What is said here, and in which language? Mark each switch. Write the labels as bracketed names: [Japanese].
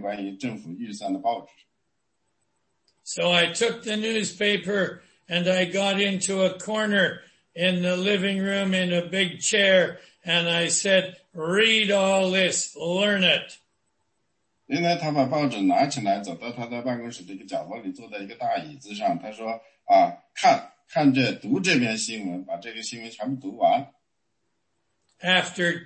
[Chinese] 所以呢，政府刚刚发表了一个预算，这个预算呢是关于税收的和关于一些其他的。它是星期六发表的，所以我跟Harold，我跟自己说，我说Harold，今天你一天都要读这一篇关于政府预算的报纸。 [English] So I took the newspaper and I got into a corner in the living room in a big chair. And I said, read all this, learn it. [Chinese] 因为他把报纸拿起来，走到他的办公室的一个角落里，坐在一个大椅子上。他说，看，看这，读这篇新闻，把这个新闻全部读完。 [English] After